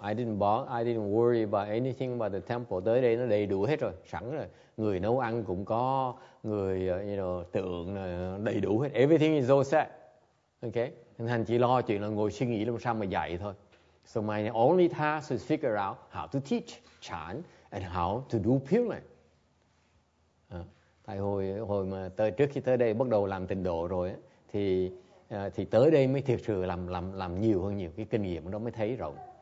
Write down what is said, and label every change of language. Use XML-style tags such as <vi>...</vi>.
<en>I didn't worry about anything about the temple.</en> <vi>Tới đây nó đầy đủ hết rồi, sẵn rồi. Người nấu ăn cũng có, người tượng đầy đủ hết.</vi> <en>Everything is all set. Okay.</en> <vi>Nên anh chỉ lo chuyện là ngồi suy nghĩ làm sao mà dạy thôi.</vi> <en>So my only task is figure out how to teach Chan and how to do Pure Land.</en> <vi>Tại hồi mà trước khi tới đây bắt đầu làm tịnh độ rồi á, thì tới đây mới thiệt sự làm nhiều hơn nhiều, cái kinh nghiệm đó mới thấy rộng.</vi>